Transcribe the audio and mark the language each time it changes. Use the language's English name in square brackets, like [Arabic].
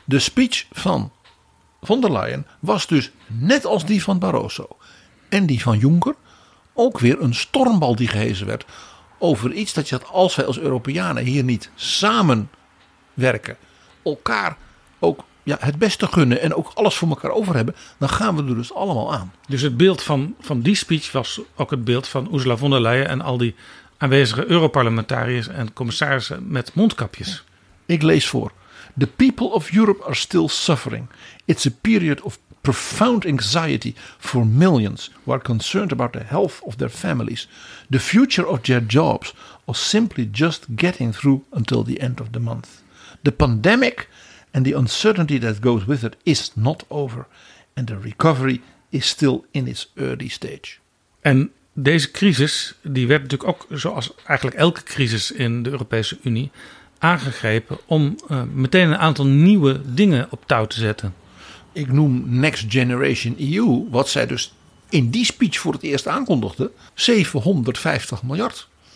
[Dutch] De speech van von der Leyen was dus net als die van Barroso en die van Juncker ook weer een stormbal die gehezen werd over iets dat je had, als wij als Europeanen hier niet samenwerken, elkaar ook het beste gunnen en ook alles voor elkaar over hebben, dan gaan we er dus allemaal aan. Dus het beeld van die speech was ook het beeld van Ursula von der Leyen en al die aanwezige Europarlementariërs en commissarissen met mondkapjes. Ik lees voor. [English] The people of Europe are still suffering. It's a period of profound anxiety for millions who are concerned about the health of their families, the future of their jobs, or simply just getting through until the end of the month. The pandemic and the uncertainty that goes with it is not over. And the recovery is still in its early stage. [Dutch] En deze crisis die werd natuurlijk ook, zoals eigenlijk elke crisis in de Europese Unie, aangegrepen om meteen een aantal nieuwe dingen op touw te zetten. Ik noem Next Generation EU, wat zij dus in die speech voor het eerst aankondigde, 750 miljard.